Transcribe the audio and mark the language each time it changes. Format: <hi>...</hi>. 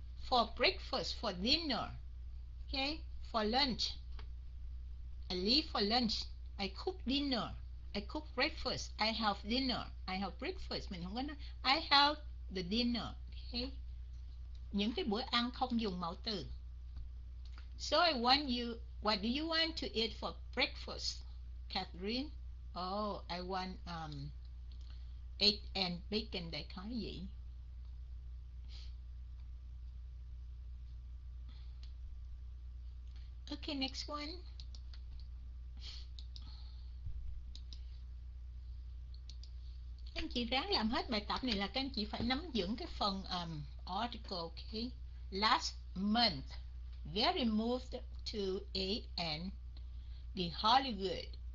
<en>For breakfast, for dinner. Ok, for lunch. I leave for lunch. I cook dinner. I cook breakfast. I have dinner. I have breakfast.</en> <vi>Mình không có nói</vi> <en>I have the dinner.</en> <vi>Ok. Những cái bữa ăn không dùng mạo từ.</vi> <en>So I want you, what do you want to eat for breakfast, Catherine? Oh, I want egg and bacon,</en> <vi>đại khái vậy.</vi> <en>Okay, next one.</en> <vi>Anh chị ráng làm hết bài tập này là các anh chị phải nắm vững cái phần article, okay?</vi> <en>Last month, very moved to A and the Hollywood.</en>